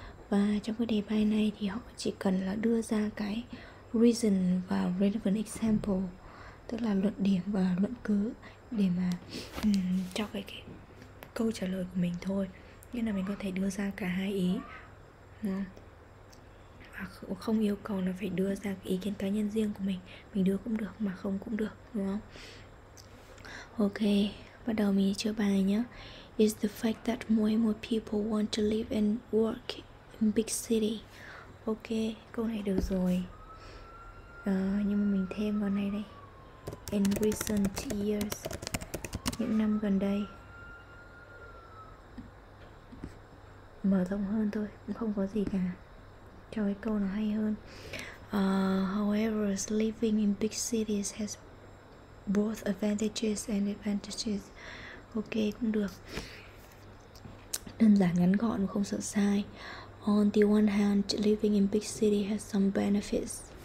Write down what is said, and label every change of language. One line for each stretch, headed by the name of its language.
Vietnamese: Và trong cái đề bài này thì họ chỉ cần là đưa ra cái reason và relevant example, tức là luận điểm và luận cứ để mà cho cái câu trả lời của mình thôi. Nghĩa là mình có thể đưa ra cả hai ý và không yêu cầu là phải đưa ra cái ý kiến cá nhân riêng của mình. Mình đưa cũng được mà không cũng được, đúng không? Ok, bắt đầu mình chơi bài nhé.
English: Is the fact that more and more people want to live and work in big city.
Vietnamese: Ok, câu này được rồi. Nhưng mà mình thêm vào này đây.
English: In recent years,
Vietnamese: những năm gần đây, mở rộng hơn thôi, cũng không có gì cả. Cho cái câu nó hay hơn.
English: However, living in big cities has both advantages and disadvantages.
Vietnamese: Ok, cũng được. Đơn giản ngắn gọn, không sợ sai.
English: On the one hand, living in big city has some benefits.